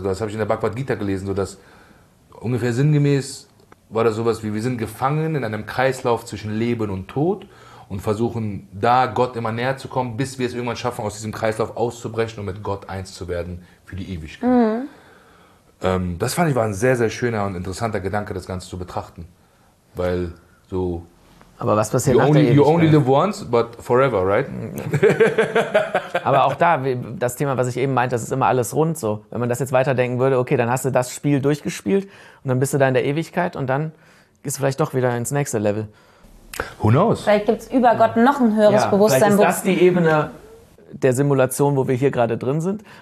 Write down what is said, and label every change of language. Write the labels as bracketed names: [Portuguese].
[German] Das habe ich in der Bhagavad Gita gelesen, so dass ungefähr sinngemäß war das sowas wie, wir sind gefangen in einem Kreislauf zwischen Leben und Tod und versuchen da Gott immer näher zu kommen, bis wir es irgendwann schaffen, aus diesem Kreislauf auszubrechen und mit Gott eins zu werden für die Ewigkeit. Mhm. Das fand ich war ein sehr, sehr schöner und interessanter Gedanke, das Ganze zu betrachten, weil so. Aber was passiert nach der Ewigkeit? [English] You only live once, but forever, right? [German] Aber auch da, das Thema, was ich eben meinte, das ist immer alles rund so. Wenn man das jetzt weiterdenken würde, okay, dann hast du das Spiel durchgespielt und dann bist du da in der Ewigkeit und dann gehst du vielleicht doch wieder ins nächste Level. [English] Who knows? [German] Vielleicht gibt es über Gott noch ein höheres Bewusstsein. Vielleicht ist das die Ebene der Simulation, wo wir hier gerade drin sind.